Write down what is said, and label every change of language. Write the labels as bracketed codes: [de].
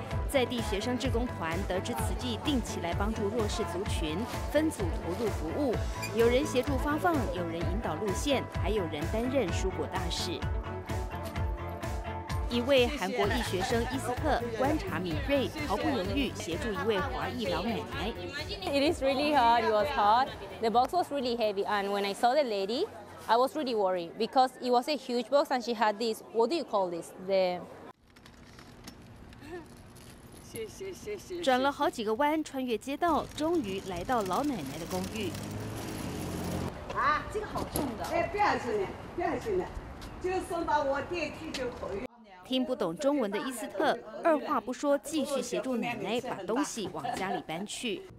[zh] 在地学生志工团得知慈济定期来帮助弱势族群，分组投入服务，有人协助发放，有人引导路线，还有人担任蔬果大使。一位韩国裔学生伊斯特观察敏锐，毫不犹豫协助一位华裔老奶奶。 [en] It is really hard. It was hard. The box was really heavy, and when I saw the lady, I was really worried because it was a huge box, and she had this. What do you call this? The [zh] 转了好几个弯，穿越街道，终于来到老奶奶的公寓。啊，这个好重的。哎，不要紧的，不要紧的，就送到我电梯就可以。听不懂中文的伊斯特二话不说，继续协助奶奶把东西往家里搬去。